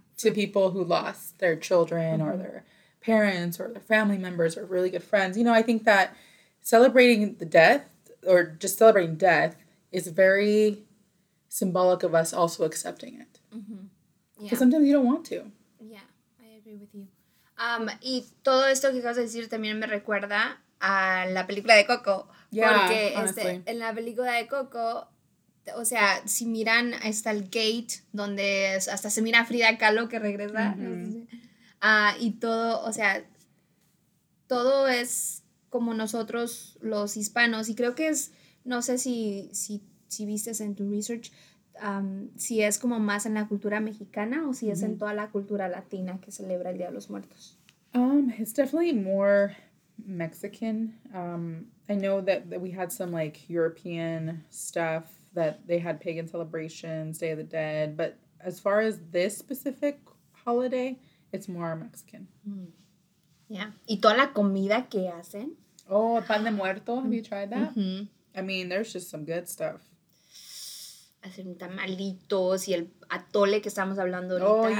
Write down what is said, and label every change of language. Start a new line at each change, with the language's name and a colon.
English: To people who lost their children mm-hmm. or their parents or their family members or really good friends. You know, I think that celebrating the death or just celebrating death is very symbolic of us also accepting it. Mm-hmm. Yeah. Because sometimes you don't want to. With you.
Spanish: Y todo esto que acabas de decir también me recuerda a la película de Coco.
English: Yeah,
Spanish: porque
English: honestly.
Spanish: En la película de Coco, o sea, si miran, ahí está el gate, donde hasta se mira a Frida Kahlo que regresa. Mm-hmm. Y todo, o sea, todo es como nosotros los hispanos. Y creo que es, no sé si viste en tu research, si es como más en la cultura mexicana o si es mm-hmm. en toda la cultura latina que celebra el Día de los Muertos.
English: It's definitely more Mexican. I know that we had some, like, European stuff that they had pagan celebrations, Day of the Dead. But as far as this specific holiday, it's more Mexican.
Spanish: Mm. Yeah. ¿Y toda la comida que hacen?
English: Oh, pan de muerto. Have you tried that? Mm-hmm. I mean, there's just some good stuff.
Spanish: Hacer tamalitos y el atole que estamos hablando ahorita.